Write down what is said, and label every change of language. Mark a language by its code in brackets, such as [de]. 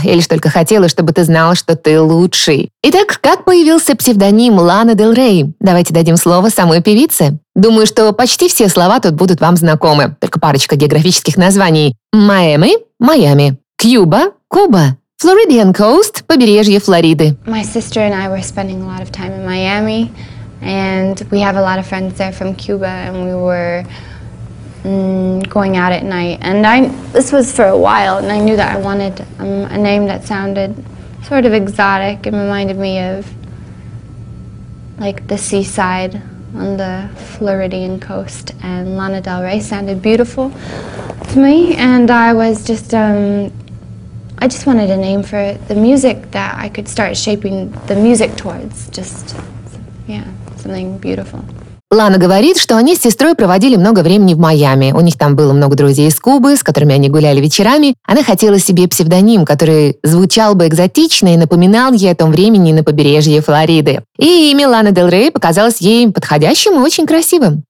[ru] Я лишь только хотела, чтобы ты знал, что ты лучший. Итак, как появился псевдоним Лана Дель Рей? Давайте дадим слово самой певице. Думаю, что почти все слова тут будут вам знакомы. Только парочка географических названий. Майами – Майами. Кьюба – Куба. Floridian Coast – побережье Флориды. [en] My sister and I were spending a lot of time in Miami. And we have a lot of friends there from Cuba. And we were... going out at night, and this was for a while, and I knew that I wanted a name that sounded sort of exotic and reminded me of like the seaside on the Floridian coast, and Lana Del Rey sounded beautiful to me, and I was just I just wanted a name for the music that I could start shaping the music towards, just yeah, something beautiful. [ru] Лана говорит, что они с сестрой проводили много времени в Майами. У них там было много друзей из Кубы, с которыми они гуляли вечерами. Она хотела себе псевдоним, который звучал бы экзотично и напоминал ей о том времени на побережье Флориды. И имя Ланы Дель Рей показалось ей подходящим и очень красивым.